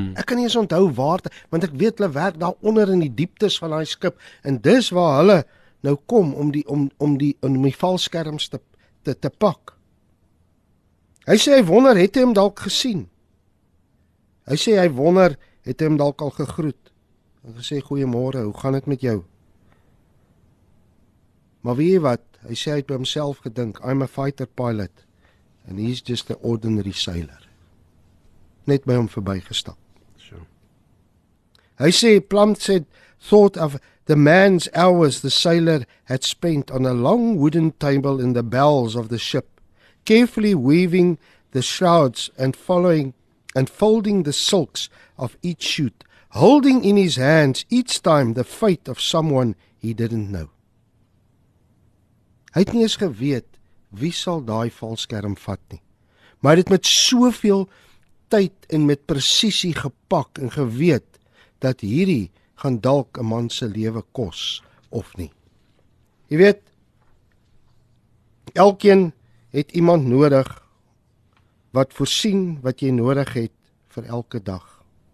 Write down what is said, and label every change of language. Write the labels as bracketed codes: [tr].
[af] Ek kan nie eens onthou waar, want ek weet hulle werk daar onder in die dieptes van die skip, en dis waar hulle nou kom om die valskerms te pak. Hy sê, hy wonder, het hy hem dalk gesien? Hy sê, hy wonder, het hy hem dalk al gegroet? En hy sê, goeiemôre, hoe gaan het met jou? Maar weet jy wat, hy sê, hy het by homself gedink, [en] I'm a fighter pilot, and he's just an ordinary sailor. [af] Net by hom verby gestap. So. Hy sê, Plum sê, [en] thought of the man's hours the sailor had spent on a long wooden table in the bowels of the ship, carefully weaving the shrouds and folding the silks of each sheet, holding in his hands each time the fate of someone he didn't know. [af] Hy het nie eens geweet wie sal daai valskerm vat nie. Maar hy het met soveel tyd en met presisie gepak en geweet dat hierdie gaan dalk 'n man se lewe kos of nie. Jy weet, elkeen het iemand nodig wat voorsien wat jy nodig het vir elke dag.